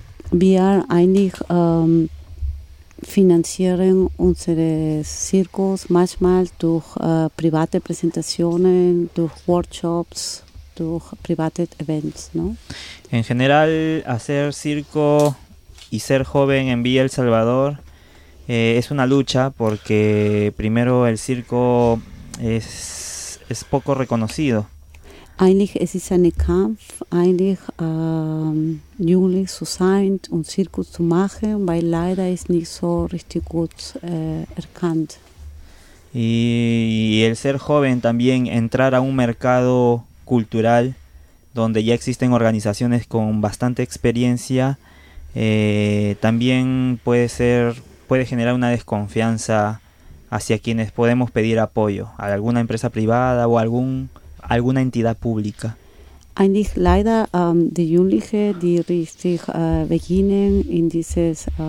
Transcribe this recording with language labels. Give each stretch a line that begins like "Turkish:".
German: Wir eigentlich finanzieren unsere circos manchmal durch private Präsentationen, durch Workshops, durch private Events,
Spanish: ¿no? En general, hacer circo y ser joven en Villa El Salvador es una lucha, porque primero el circo es poco reconocido.
German: Eigentlich es ist ein Kampf, eigentlich jugendlich zu sein und circo zu machen, weil leider es nicht so richtig gut erkannt.
Spanish: Y el ser joven también, entrar a un mercado cultural donde ya existen organizaciones con bastante experiencia, también puede generar una desconfianza hacia quienes podemos pedir apoyo, a alguna empresa privada o alguna entidad pública.
German: Eigentlich leider die Jugendlichen, die richtig beginnen in dieses